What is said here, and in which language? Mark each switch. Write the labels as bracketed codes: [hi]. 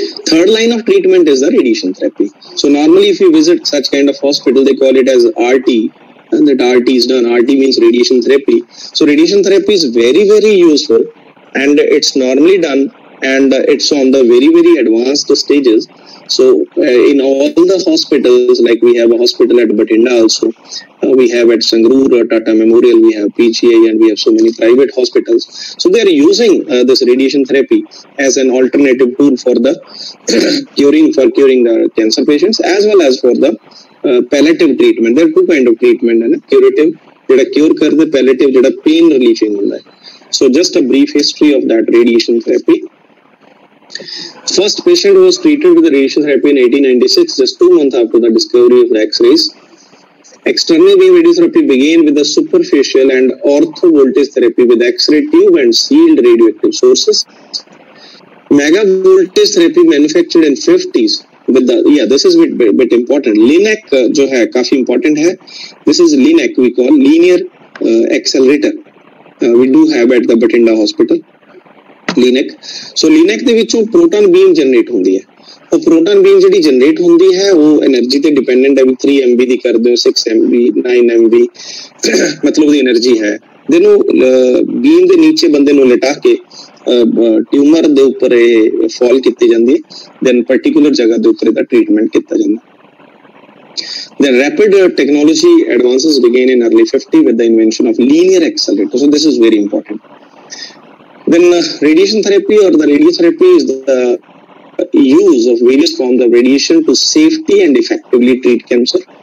[en] Third line of treatment is the radiation therapy. So normally if you visit such kind of hospital they call it as RT that RT is done. RT means radiation therapy. So radiation therapy is very very useful and it's normally done and it's on the very very advanced stages. So in all the hospitals, like we have a hospital at Bathinda also, we have at Sangrur, Tata Memorial, we have PGI and we have so many private hospitals. So they are using this radiation therapy as an alternative tool for the curing the cancer patients as well as for the palliative treatment. There are two kind of treatment, and curative, [pa] jada cure kar de, [en] palliative, [pa] jada pain relieving hunda hai. [en] So just a brief history of that radiation therapy. First patient was treated with the radiation therapy in 1896, just 2 months after the discovery of the X-rays. External beam radiation therapy began with the superficial and ortho voltage therapy with X-ray tube and sealed radioactive sources. Mega voltage therapy manufactured in 50s with the this is bit important. LINAC, [hi] jo hai, kafi important hai. [en] This is LINAC we call linear accelerator. We do have at the Bathinda Hospital. LINAC. [hi] So LINAC के विचों proton beam generate होंगी है. वो proton beam जी generate होंगी है वो energy से dependent है भी 3 MV की कर दो 6 MV 9 MV मतलब वो एनर्जी है. देन बीम के नीचे बंदे नो लटा के ट्यूमर के उपर ये फॉल की जाती है दैन पर्टिकुलर जगह के उपर ट्रीटमेंट किया जाता. [en] Then rapid technology advances began in early 50 with the invention of linear accelerator. So this is very important. Then radiation therapy or the radiotherapy is the use of various forms of radiation to safely and effectively treat cancer.